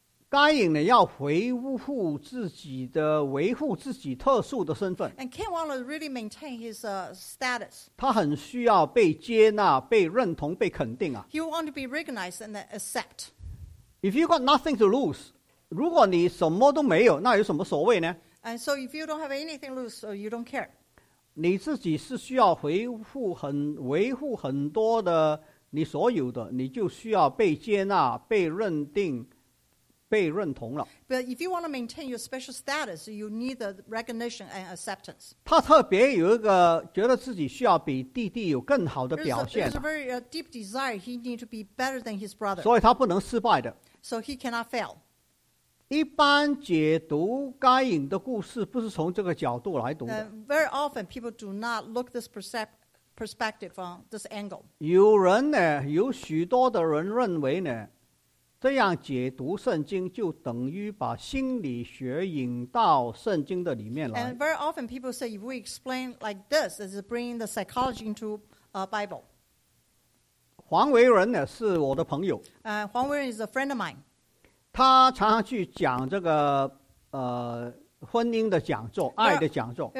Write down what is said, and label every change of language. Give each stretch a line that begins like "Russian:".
Chinese: 该隐呢要维护自己的维护自己特殊的身份
English: and Cain wanted to really maintain his status
Chinese: 他很需要被接纳被认同被肯定啊
English: he wanted to be recognized and accept if you got nothing to lose
Chinese: 如果你什么都没有那有什么所谓呢
English: and so if you don't have anything lose so you don't care
Chinese: 你自己是需要维护很多的你所有的你就需要被接纳被认定被认同了
English: But if you want to maintain your special status, you need the recognition and acceptance.
Chinese: 他特别有一个觉得自己需要比弟弟有更好的表现。
English: There's a very deep desire. He needs to be better than his brother.
Chinese: 所以他不能失败的。
English: So he cannot fail.
Chinese: 一般解读该隐的故事不是从这个角度来读的。
English: Very often people do not look this perspective from this angle.
Chinese: 有人呢，有许多的人认为呢，这样解读圣经就等于把心理学引到圣经的里面来。
English: And very often people say if we explain like this, it's bringing the psychology into a Bible.
Chinese: 黄维仁呢，是我的朋友。
English: 黄维仁 is a friend of mine.
Chinese: 他常常去讲这个婚姻的讲座，爱的讲座。